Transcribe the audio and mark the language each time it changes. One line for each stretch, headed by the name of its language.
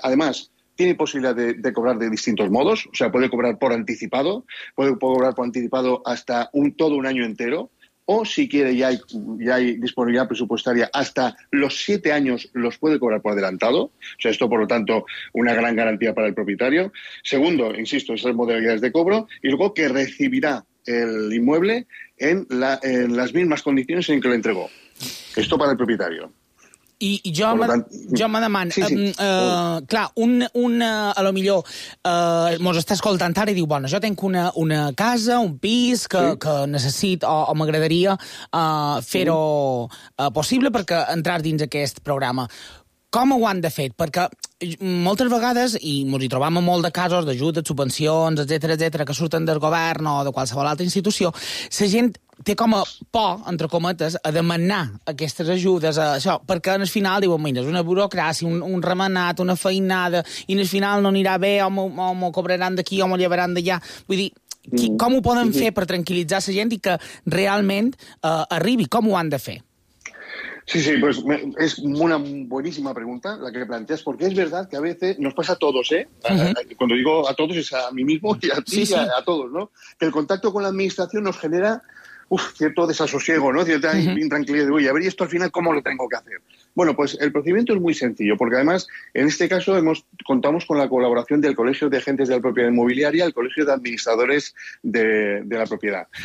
Spanish: Además, tiene posibilidad de cobrar de distintos modos. O sea, puede cobrar por anticipado, puede cobrar por anticipado hasta todo un año entero, o si quiere, ya hay disponibilidad presupuestaria, hasta los 7 años los puede cobrar por adelantado. O sea, esto, por lo tanto, una gran garantía para el propietario. Segundo, insisto, esas modalidades de cobro. Y luego, que recibirá el inmueble en las mismas condiciones en que lo entregó. Esto para el propietario.
Catalan: I jo, jo me demano, clar, a lo millor mos està escoltant ara i diu, bueno, jo tenc una casa, un pis que necessit o m'agradaria fer-ho possible perquè entrar dins aquest programa. Com ho han de fer? Perquè moltes vegades, i ens hi trobam en molt de casos d'ajudes, subvencions, etcètera, etcètera, que surten del govern o de qualsevol altra institució, la gent té com a por, entre cometes, a demanar aquestes ajudes, a això, perquè al final diuen, mira, és una burocràcia, un remenat, una feinada, i al final no anirà bé, o m'ho cobraran d'aquí o m'ho llevaran d'allà. Vull dir, com ho poden fer per tranquil·litzar la gent i que realment arribi? Com ho han de fer?
Spanish: Sí, pues es una buenísima pregunta la que planteas, porque es verdad que a veces nos pasa a todos, cuando digo a todos es a mí mismo y a ti, sí, sí. A todos, ¿no? Que el contacto con la administración nos genera cierto desasosiego, ¿no? Cierta intranquilidad, uy, a ver, ¿y esto al final cómo lo tengo que hacer? Bueno, pues el procedimiento es muy sencillo, porque además en este caso contamos con la colaboración del Colegio de Agentes de la Propiedad Inmobiliaria, el Colegio de Administradores de la Propiedad.